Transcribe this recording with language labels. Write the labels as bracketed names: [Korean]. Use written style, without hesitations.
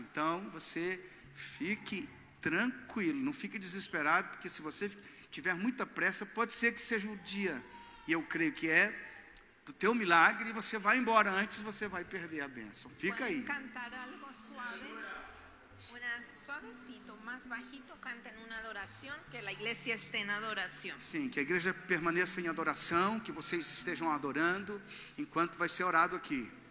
[Portuguese] Então, você fique tranquilo, não fique desesperado, porque se você tiver muita pressa, pode ser que seja um dia, e eu creio que é, do teu milagre, e você vai embora antes, você vai perder a bênção. Fica aí. Cantar algo suave? Uma suave? [Spanish] suavecito, más bajito, canten una adoración, que la iglesia esté en adoración. [Portuguese] Sim, que a igreja permaneça em adoração, que vocês estejam adorando enquanto vai ser orado aqui.